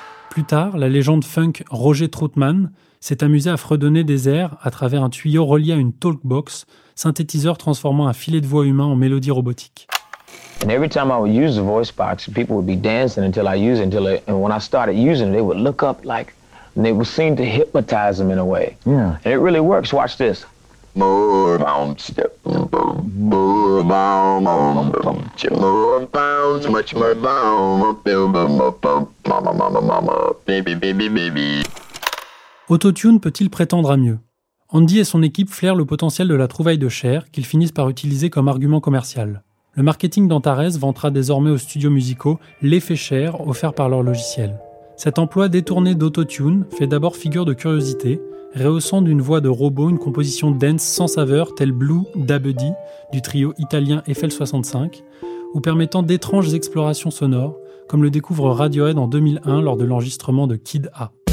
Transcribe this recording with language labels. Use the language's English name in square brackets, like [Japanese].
[French] Plus tard, la légende funk Roger Troutman s'est amusé à fredonner des airs à travers un tuyau relié à une talkbox, synthétiseur transformant un filet de voix humain en mélodie robotique. [English] And every time I would use the voice box, people would be dancing until I used it. And when I started using it, they would look up like, and they would seem to hypnotize them in a way. Yeah. And it really works. Watch this. More bounce, step, more bounce, more bounce, much more bounce, mama, mama, mama, baby, baby, baby. [French] Auto-tune peut-il prétendre à mieux? Andy et son équipe flairent le potentiel de la trouvaille de Cher qu'ils finissent par utiliser comme argument commercial. Le marketing d'Antares vantera désormais aux studios musicaux l'effet Cher offert par leur logiciel. Cet emploi détourné d'autotune fait d'abord figure de curiosité, rehaussant d'une voix de robot une composition dance sans saveur telle Blue d'Abedi du trio italien Eiffel 65, ou permettant d'étranges explorations sonores, comme le découvre Radiohead en 2001 lors de l'enregistrement de Kid A.